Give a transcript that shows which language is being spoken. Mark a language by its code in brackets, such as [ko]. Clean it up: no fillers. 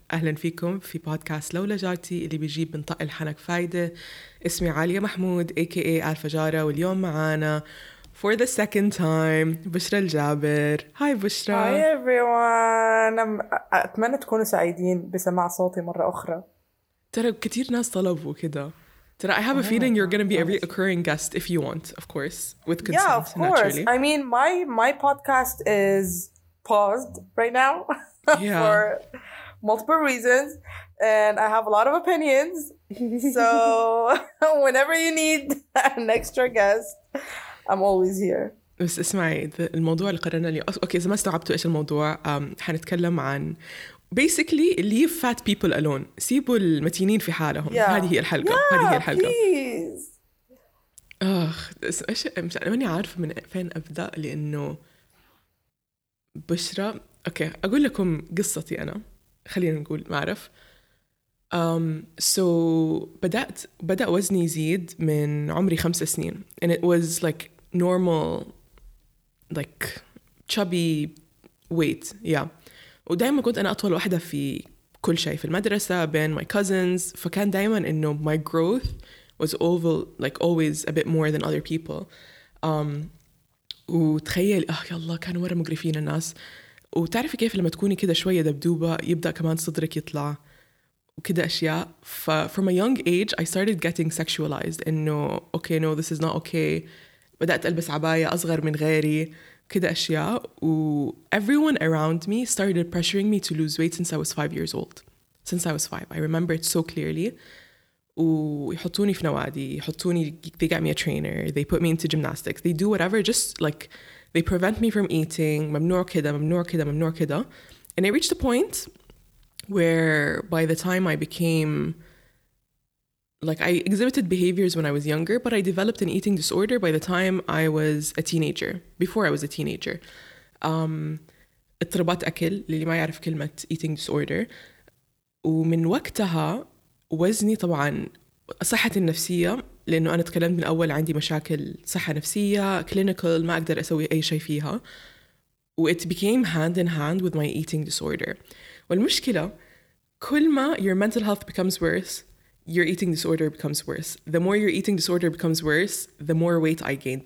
[ar] أهلا فيكم في بودكاست لولا جارتي اللي بيجيب من طق الحنك فايدة. اسمي عالية محمود aka ألف جارة، واليوم معانا [en] for the second time [ar] بشرة الجابر. هاي بشرة. هاي [en] everyone. [ar] أتمنى تكونوا سعيدين بسماع صوتي مرة أخرى. ترى كتير ناس طلبوا كده. ترى [en] I have a feeling you're gonna be every occurring guest if you want, of course, with consent. Yeah, of course. Naturally. I mean, my podcast is paused right now yeah. for multiple reasons, and I have a lot of opinions. So whenever you need an extra guest, I'm always here. [ar] بس اسمعي الموضوع اللي قررنا لي. Okay, إذا ما استوعبتوا إيش الموضوع، حنتكلم عن [en] basically leave fat people alone. [ar] سيبوا المتينين في حالهم. [en] Yeah. [ar] هذه هي الحلقة. [en] Yeah, [ar] هذه هي الحلقة. [en] Please. [ar] اخ ايش مش انا ماني عارفه من فين ابدا، لانه بشرة اوكي اقول لكم قصتي انا، خلينا نقول ما اعرف. [en] So [ar] بدا وزني يزيد من عمري 5 سنين [en] and it was like normal like chubby weight. Yeah. [ar] ودايما كنت أنا أطول واحدة في كل شيء، في المدرسة بين [en] my cousins، [ar] فكان دايما إنه [en] my growth was oval like always a bit more than other people. [ar] وتخيل يا الله كانوا ورا مقرفين الناس. وتعرفي كيف لما تكوني كده شوية دبدوبة يبدأ كمان صدرك يطلع وكده أشياء. [en] ف from a young age I started getting sexualized إنه okay no this is not okay. [ar] بدأت ألبس عباية أصغر من غيري كده أشياء، [en] و everyone around me started pressuring me to lose weight since I was 5 years old. Since I was 5, I remember it so clearly. [ar] ويحطوني في نوادي، يحطوني، [en] they got me a trainer, they put me into gymnastics, they do whatever, just like they prevent me from eating. [ar] ممنوع كده، ممنوع كده، ممنوع كده. [en] And I reached a point where by the time I became like I exhibited behaviors when I was younger, but I developed an eating disorder by the time I was a teenager. Before I was a teenager, [ar] اضطرابات أكل للي ما يعرف كلمة [en] eating disorder. [ar] ومن وقتها وزني طبعا صحة النفسية، لأنه أنا تكلمت من أول عندي مشاكل صحة نفسية clinical ما أقدر أسوي أي شيء فيها. [en] و it became hand in hand with my eating disorder. والمشكلة كل ما your mental health becomes worse, your eating disorder becomes worse. The more your eating disorder becomes worse, the more weight I gained.